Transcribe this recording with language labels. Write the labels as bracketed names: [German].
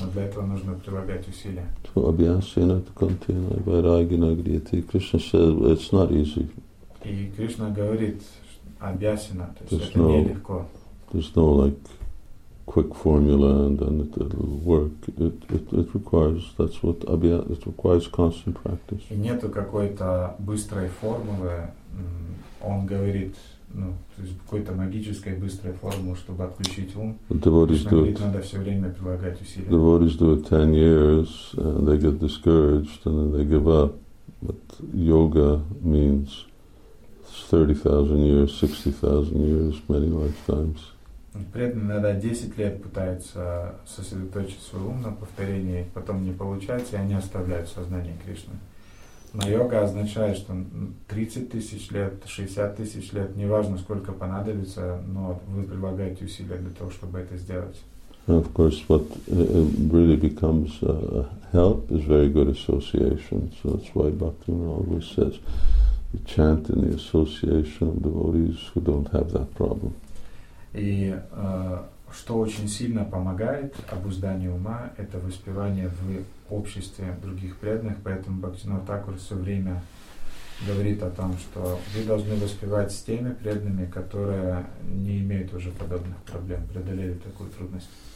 [Russian] Но для этого нужно прилагать усилия. [English] To abhyasena to continue vairagina griti. Krishna says it's not easy. [Russian] И Кришна говорит абьясина, то есть это нелегко. [English] There's no like quick formula and then it'll work. It requires, that's what Abhya, it requires constant practice. [Russian] И нету какой-то быстрой формулы, он говорит, то есть какой-то магической быстрой формулы, чтобы отключить ум. [English] Devotees do it. [Russian] Надо все время прилагать усилия. [English] Devotees do it 10 years and they get discouraged and then they give up. But yoga means 30,000 years, 60,000 years, many lifetimes. [Russian] Преданный иногда 10 лет пытается сосредоточить свой ум на повторении, потом не получается, и они оставляют сознание Кришны. Но йога означает, что 30 тысяч лет, 60 тысяч лет, неважно, сколько понадобится, но вы прилагаете усилия для того, чтобы это сделать. [English] And of course, what really becomes a help is very good association. So that's why Bhaktivinoda always says, you chant in the association of devotees who don't have that problem. [Russian] И что очень сильно помогает обузданию ума, это воспевание в обществе других преданных. Поэтому Бхактинор Такур все время говорит о том, что вы должны воспевать с теми преданными, которые не имеют уже подобных проблем, преодолели такую трудность.